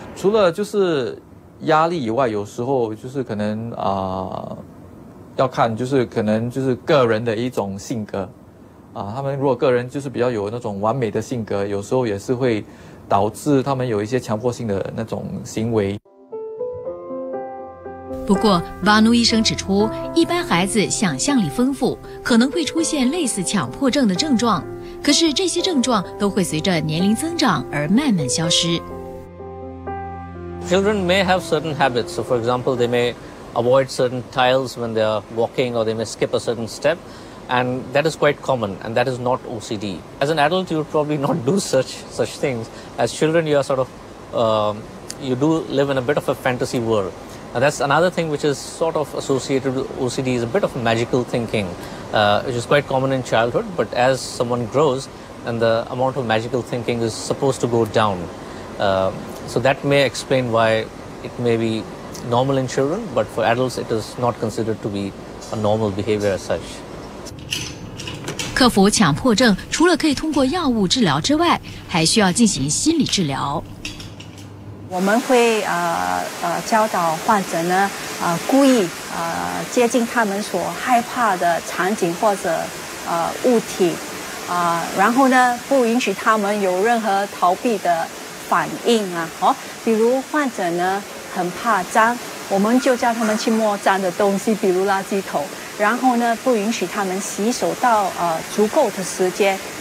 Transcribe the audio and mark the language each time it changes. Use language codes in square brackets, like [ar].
[zh] 除了就是压力以外，有时候就是可能要看，就是可能就是个人的一种性格他们如果个人就是比较有那种完美的性格，有时候也是会导致他们有一些强迫性的那种行为。不过巴努医生指出，一般孩子想象力丰富，可能会出现类似强迫症的症状，可是这些症状都会随着年龄增长而慢慢消失。 [en] Children may have certain habits. So for example, they may avoid certain tiles when they are walking, or they may skip a certain step. And that is quite common, and that is not OCD. As an adult, you would probably not do such things. As children, you are sort of, you do live in a bit of a fantasy world. And that's another thing which is sort of associated with OCD, is a bit of magical thinking, which is quite common in childhood. But as someone grows, and the amount of magical thinking is supposed to go down. So that may explain why it may be normal in children, but for adults it is not considered to be a normal behavior as such. [zh] 克服强迫症除了可以通过药物治疗之外，还需要进行心理治疗。我们会教导患者呢故意接近他们所害怕的场景或者物体然后呢不允许他们有任何逃避的反应啊，好，比如患者呢很怕脏，我们就叫他们去摸脏的东西，比如垃圾桶，然后呢不允许他们洗手到足够的时间，